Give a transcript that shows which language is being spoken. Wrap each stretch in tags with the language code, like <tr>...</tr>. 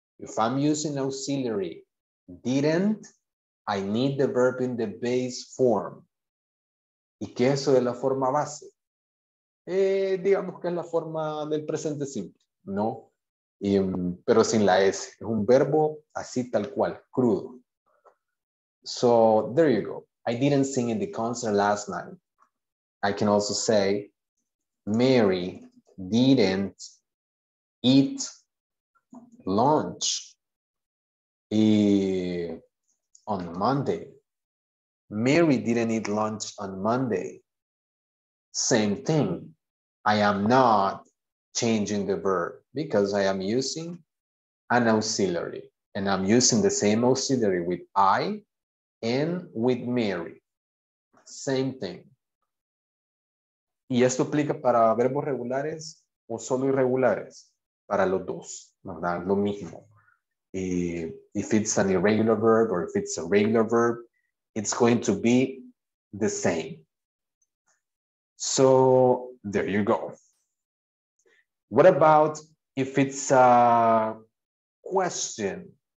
<en>If I'm using auxiliary, didn't, I need the verb in the base form.</en> <es>¿Y qué es eso de la forma base? Digamos que es la forma del presente simple, ¿no? Y, pero sin la S. Es un verbo así tal cual, crudo.</es> <en>So, there you go. I didn't sing in the concert last night. I can also say, Mary didn't eat lunch on Monday. Mary didn't eat lunch on Monday. Same thing. I am not changing the verb because I am using an auxiliary. And I'm using the same auxiliary with I and with Mary. Same thing.</en> <es>¿Y esto aplica para verbos regulares o solo irregulares? Para los dos, ¿verdad? Lo mismo.</es> <en>If it's an irregular verb or if it's a regular verb, it's going to be the same. So, there you go. What about if it's a question?</en>